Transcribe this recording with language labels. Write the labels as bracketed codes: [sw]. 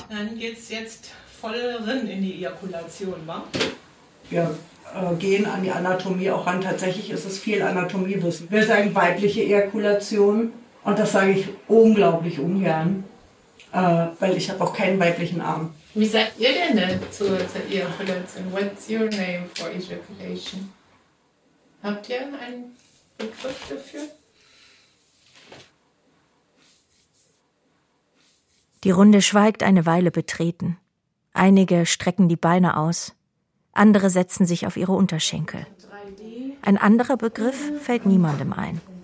[de] Dann geht's jetzt voll rein in die Ejakulation, wa? Ja. Gehen an die Anatomie auch ran. Tatsächlich ist es viel Anatomiewissen. Wir sagen weibliche Ejakulation und das sage ich unglaublich ungern, weil ich habe auch keinen weiblichen Arm. Wie sagt ihr denn zur Ejakulation? [en] What's your name for ejaculation? [de] Habt ihr einen Begriff dafür? Die Runde schweigt eine Weile betreten. Einige strecken die Beine aus. Andere setzen sich auf ihre Unterschenkel. Ein anderer Begriff fällt niemandem ein.